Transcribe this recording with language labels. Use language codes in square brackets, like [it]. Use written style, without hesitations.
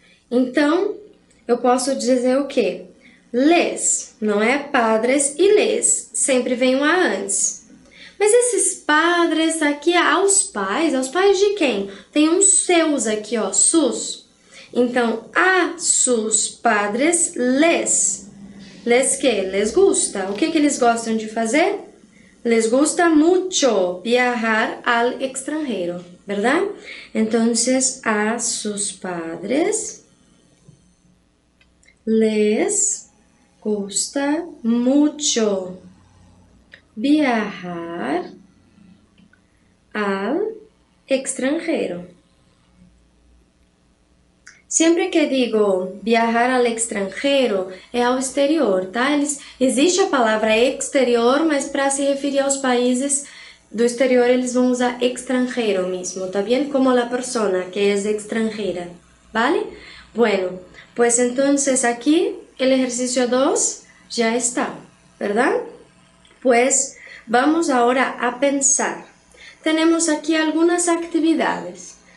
[pt] Então, eu posso dizer o quê? Les, não é padres e les, sempre vem um A antes. Mas esses padres aqui, aos pais de quem? Tem um seus aqui, ó, sus. Então, [es] a sus padres les. [pt] Les que? [es] Les gusta. [pt] O que que eles gostam de fazer? [es] Les gusta mucho viajar al extranjero, ¿verdad? Entonces, a sus padres les gusta mucho viajar al extranjero. Siempre que digo viajar al extranjero, [pt] é ao exterior, [es] tá? [pt] Existe a palavra exterior, mas para se referir aos países do exterior, eles vão usar extranjero mesmo, tá bien? [es] Como la persona que es extranjera, ¿vale? Bueno. Pues entonces aquí el ejercicio 2 ya está, ¿verdad? Pues vamos ahora a pensar. Tenemos aquí algunas actividades.